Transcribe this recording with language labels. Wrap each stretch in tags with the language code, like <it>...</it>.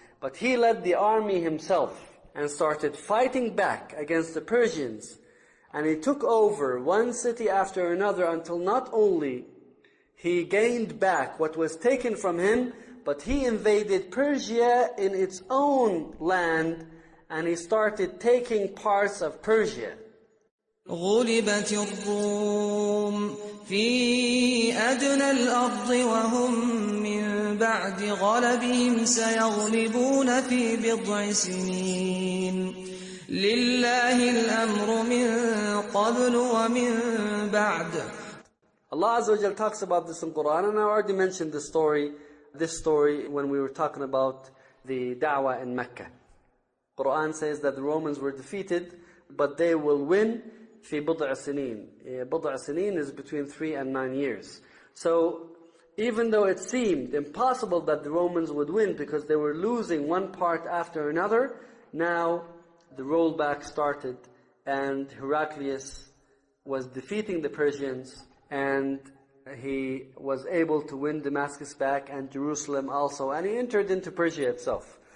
<en>But he led the army himself and started fighting back against the Persians. And he took over one city after another until not only he gained back what was taken from him, but he invaded Persia in its own land, and he started taking parts of Persia.</en> <ar>غلبت الروم في أدنى الأرض وهم من بعد غلبهم سيغلبون في بضع سنين لله الأمر من قبل ومن بعد.</ar> <en>Allah Azza wa Jalla talks about this in Quran, and I already mentioned this story when we were talking about the da'wah in Mecca. Quran says that the Romans were defeated, but they will win</en> <ar>في بضع سنين. بضع سنين</ar> <en>is between 3 and 9 years. So even though it seemed impossible that the Romans would win because they were losing one part after another, now the rollback started and Heraclius was defeating the Persians and he was able to win Damascus back and Jerusalem also, and he entered into Persia itself.</en>